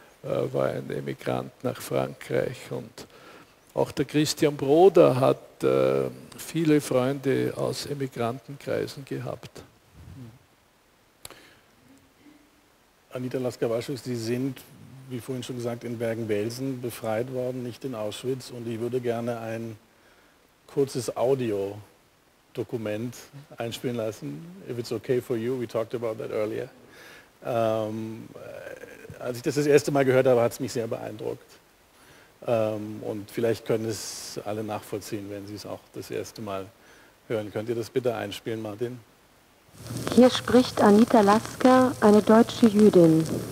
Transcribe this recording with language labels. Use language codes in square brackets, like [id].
[de] war ein Emigrant nach Frankreich. Und auch der Christian Broder hat viele Freunde aus Emigrantenkreisen gehabt. Anita Lasker-Waschus, Sie sind, wie vorhin schon gesagt, in Bergen-Belsen befreit worden, nicht in Auschwitz. Und ich würde gerne ein kurzes Audio-Dokument einspielen lassen. [en] If it's okay for you, we talked about that earlier. [de] Als ich das erste Mal gehört habe, hat es mich sehr beeindruckt. Und vielleicht können es alle nachvollziehen, wenn sie es auch das erste Mal hören. Könnt ihr das bitte einspielen, Martin? Hier spricht Anita Lasker, eine deutsche Jüdin.